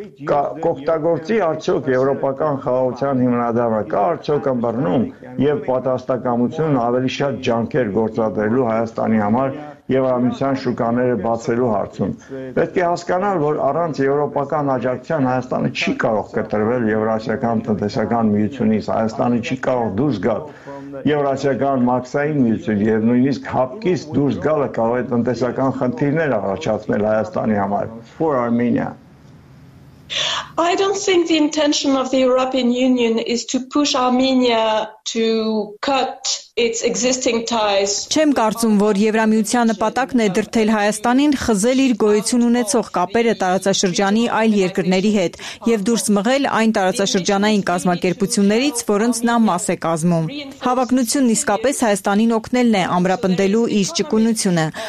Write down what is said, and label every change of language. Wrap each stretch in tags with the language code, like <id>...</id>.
<hy>Կօգտագործի արդյոք Եվրոպական խաղաղության հիմնադրամը, կա արդյոք ըմբռնում և պատրաստակամություն ավելի շատ ջանքեր գործադրելու Հայաստանի համար Եվրամիության շուկաները բացելու հարցում։ Պետք է հասկանալ, որ առանց Եվրոպական աջակցության Հայաստանը չի կարող կտրվել Եվրասիական տնտեսական միությունից, Հայաստանը չի կարող դուրս գալ Եվրասիական մաքսային միություն եւ նույնիսկ հապկից դուրս գալը կարող է տնտեսական խնդիրներ առաջացնել Հայաստանի համար.</hy> <en>For Armenia. I don't think the intention of the European Union is to push Armenia to cut its existing ties.</en> <hy>Չեմ կարծում, որ Եվրամիության նպատակն է դրդել Հայաստանին խզել իր գոյություն ունեցող կապերը տարածաշրջանի այլ երկրների հետ եւ դուրս մղել այն տարածաշրջանային կազմակերպություններից, որոնց նա մաս է կազմում։ Հավակնությունն իսկապես Հայաստանին օգնելն է ամրապնդելու իր ճկունությունը։</hy>